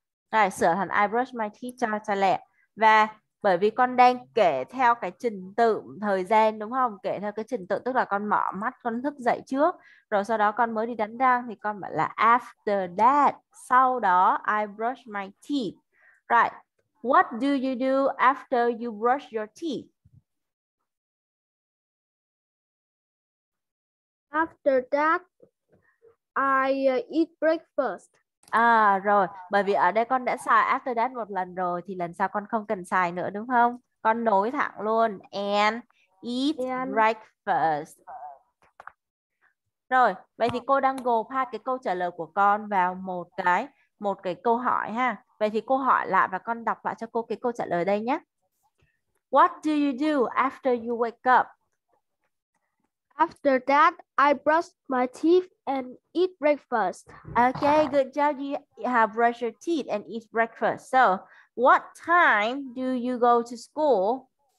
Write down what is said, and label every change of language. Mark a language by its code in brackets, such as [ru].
[vi] Rồi, sửa thành I brush my teeth cho lẹ. Và bởi vì con đang kể theo cái trình tự thời gian đúng không? Kể theo cái trình tự tức là con mở mắt, con thức dậy trước. Rồi sau đó con mới đi đánh răng thì con bảo là after that. [en] Sau đó I brush my teeth. Right. What do you do after you brush your teeth? After that, I eat breakfast. [vi] À rồi, bởi vì ở đây con đã xài after that một lần rồi thì lần sau con không cần xài nữa đúng không? Con nối thẳng luôn and eat breakfast. Rồi, vậy thì cô đang gộp hai cái câu trả lời của con vào một cái câu hỏi ha. Vậy thì cô hỏi lại và con đọc lại cho cô cái câu trả lời đây nhé. [en] What do you do after you wake up? After that, I brush my teeth and eat breakfast. Okay, good job. You have brushed your teeth and eat breakfast. So, what time do you go to school?